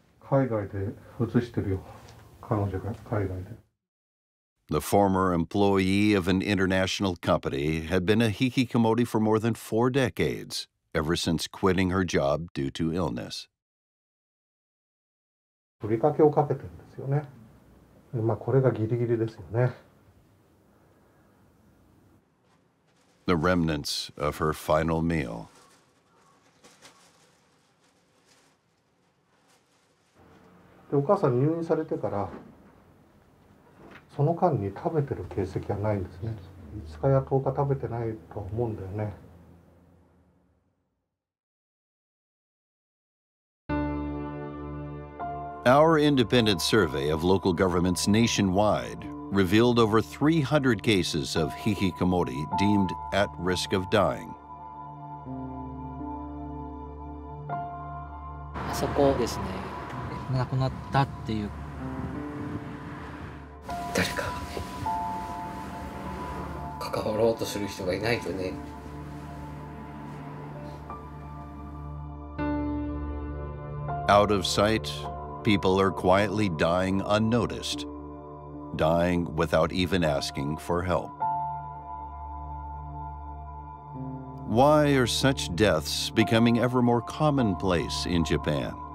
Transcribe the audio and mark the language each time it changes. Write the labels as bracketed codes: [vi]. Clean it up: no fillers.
[en] The former employee of an international company had been a hikikomori for more than four decades, ever since quitting her job due to illness. [ja] ふりかけをかけてるんですよね。まあ、これがギリギリですよね。 [en] The remnants of her final meal. [ja] で、お母さん入院されてから、その間に食べてる形跡はないんですね。 5日や10日食べてないと思うんだよね。 [en] Our independent survey of local governments nationwide. Revealed over 300 cases of hikikomori deemed at risk of dying. [ja] そこですね。亡くなったっていう。誰かがね、関わろうとする人がいないとね。 [en] Out of sight, people are quietly dying unnoticed. Dying without even asking for help. Why are such deaths becoming ever more commonplace in Japan?